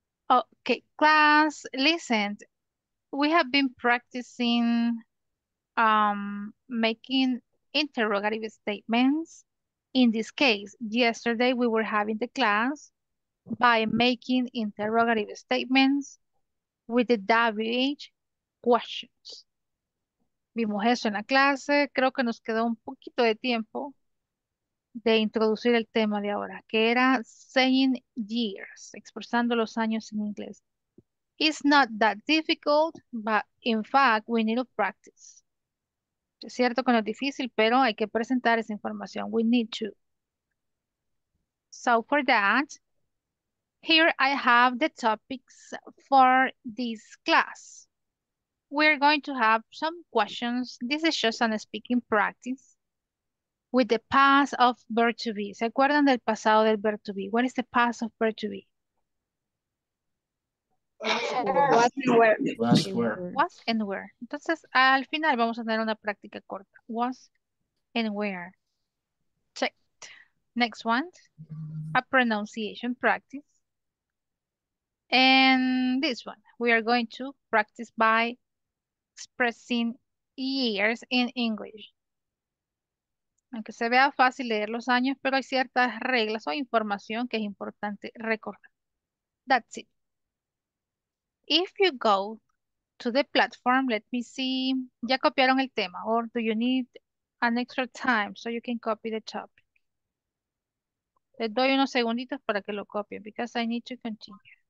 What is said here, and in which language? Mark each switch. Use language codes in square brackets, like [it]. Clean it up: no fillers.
[en] Okay, class, listen, we have been practicing making interrogative statements. In this case, yesterday we were having the class by making interrogative statements with the WH questions. [es] Vimos eso en la clase, creo que nos quedó un poquito de tiempo de introducir el tema de ahora, que era [en] saying years, [es] expresando los años en inglés. [en] It's not that difficult, but in fact, we need to practice. [es] Es cierto que no es difícil, pero hay que presentar esa información. [en] We need to. So for that, here I have the topics for this class. We're going to have some questions. This is just a speaking practice. With the past of verb to be. [es] ¿Se acuerdan del pasado del [en] verb to be? What is the past of verb to be? Was and were. Was were. Was and were. [es] Entonces, al final vamos a tener una práctica corta. [en] Was and were. Checked. Next one. A pronunciation practice. And this one. We are going to practice by expressing years in English. [es] Aunque se vea fácil leer los años, pero hay ciertas reglas o información que es importante recordar. [en] That's it. If you go to the platform, let me see. [es] ¿Ya copiaron el tema? [en] Or do you need an extra time so you can copy the topic? [es] Les doy unos segunditos para que lo copien, [en] because I need to continue.